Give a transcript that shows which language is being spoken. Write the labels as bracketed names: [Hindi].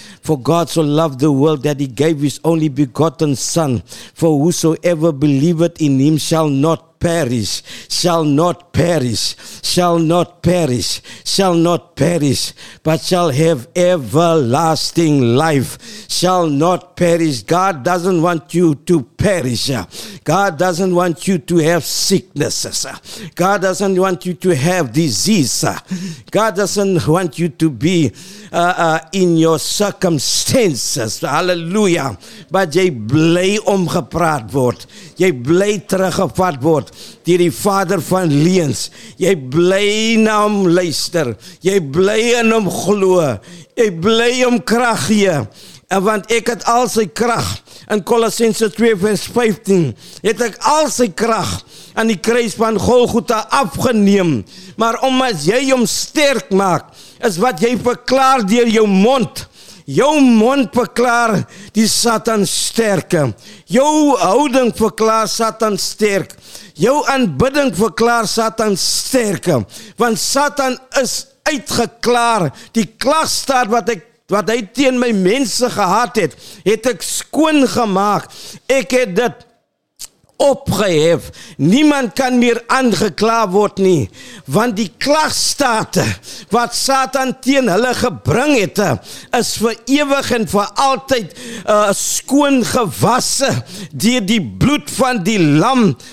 [English] For God so loved the world that he gave his only begotten son, for whosoever believeth in him shall not perish, shall not perish, shall not perish, shall not perish, but shall have everlasting life, shall not perish. God doesn't want you to perish. God doesn't want you to have sicknesses. God doesn't want you to have disease. God doesn't want you to be in your circumstances. Hallelujah. [Afrikaans] But jy bly omgepraat word. Jy bly teruggevat word deur die Vader van leens. Jy bly na hom luister. Jy bly in hom glo. Jy bly hom krag gee. Want ek het al sy krag in Kolossense 2 vers 15, het ek al sy krag aan die kruis van Golgotha afgeneem, maar omdat jy hom sterk maak, is wat jy verklaar deur jou mond. Jou mond verklaar die Satan sterke. Jou houding verklaar Satan sterk. Jou aanbidding verklaar Satan sterke. Want Satan is uitgeklaar. Die klagstaart wat hy teen my mense gehad het, het ek skoon gemaak. Ek het dit opgehef. Niemand kan meer aangekla word nie, want die klagstate wat Satan teen hulle gebring het, is vir ewig en vir altyd skoon gewasse deur die bloed van die lam.